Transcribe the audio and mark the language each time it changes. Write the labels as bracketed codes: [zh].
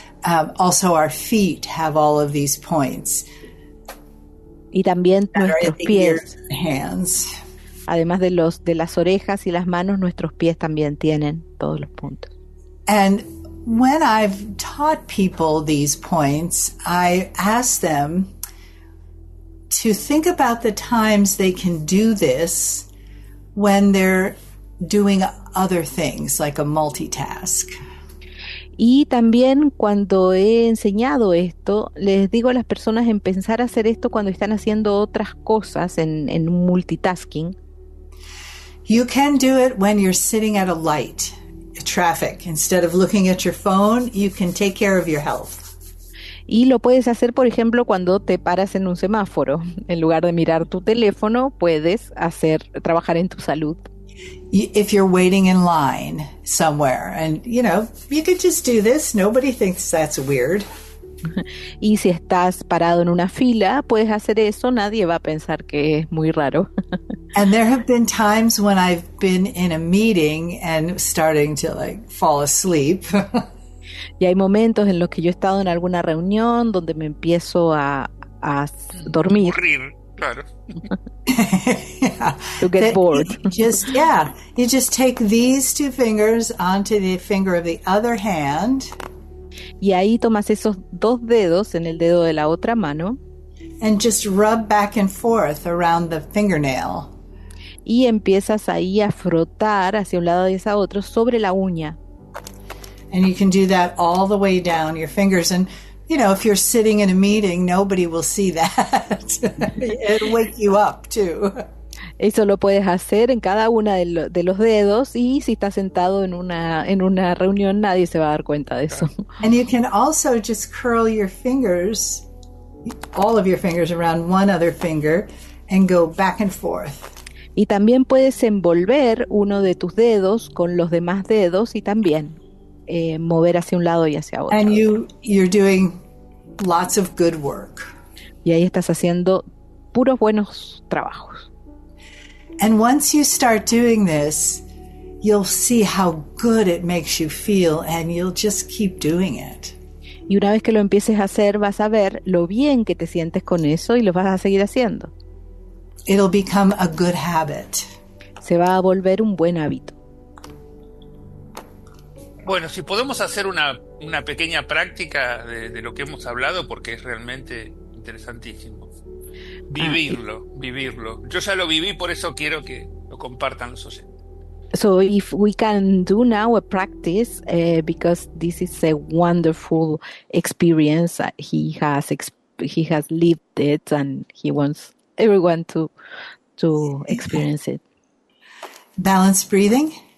[en] Also, our feet have all of these points. [es] Y también nuestros pies. [en] Hands. [es] Además de los de las orejas y las manos, nuestros pies también tienen todos los puntos. [en] And when I've taught people these points, I ask them to think about the times they can do this when they're doing other things, like a multitask. [es] Y también cuando he enseñado esto, les digo a las personas en pensar hacer esto cuando están haciendo otras cosas en multitasking. [en] You can do it when you're sitting at a light. traffic. Instead of looking at your phone, you can take care of your health. [es] Y lo puedes hacer, por ejemplo, cuando te paras en un semáforo. En lugar de mirar tu teléfono, puedes hacer trabajar en tu salud. [en] If you're waiting in line somewhere, and you know, you could just do this. Nobody thinks that's weird. [es] Y si estás parado en una fila, puedes hacer eso. Nadie va a pensar que es muy raro. [en] And there have been times when I've been in a meeting and starting to like fall asleep. [es] Y hay momentos en los que yo he estado en alguna reunión donde me empiezo a dormir. Morir, claro. [en] Yeah. To get bored. You just take these two fingers onto the finger of the other hand. [es] Y ahí tomas esos dos dedos en el dedo de la otra mano. [en] And just rub back and forth around the fingernail. [es] Y empiezas ahí a frotar hacia un lado y hacia otro sobre la uña. [en] And you can do that all the way down your fingers. And, you know, if you're sitting in a meeting, nobody will see that. It'll wake you up, too. [es] Eso lo puedes hacer en cada una de los dedos. Y si estás sentado en una reunión, nadie se va a dar cuenta de eso. [en] And you can also just curl your fingers, all of your fingers, around one other finger and go back and forth. [es] Y también puedes envolver uno de tus dedos con los demás dedos y también mover hacia un lado y hacia otro. [en] And you're doing lots of good work. [es] Y ahí estás haciendo puros buenos trabajos. [en] And once you start doing this, you'll see how good it makes you feel and you'll just keep doing it. [es] Y una vez que lo empieces a hacer, vas a ver lo bien que te sientes con eso y lo vas a seguir haciendo. [en] It'll become a good habit. [es] Se va a volver un buen hábito. Bueno, si podemos hacer una pequeña práctica de lo que hemos hablado, porque es realmente interesantísimo. Vivirlo. Yo ya lo viví, por eso quiero que lo compartan los oyentes. [en] So if we can do now a practice, because this is a wonderful experience that he has lived it and he wants everyone to experience it. Balanced breathing.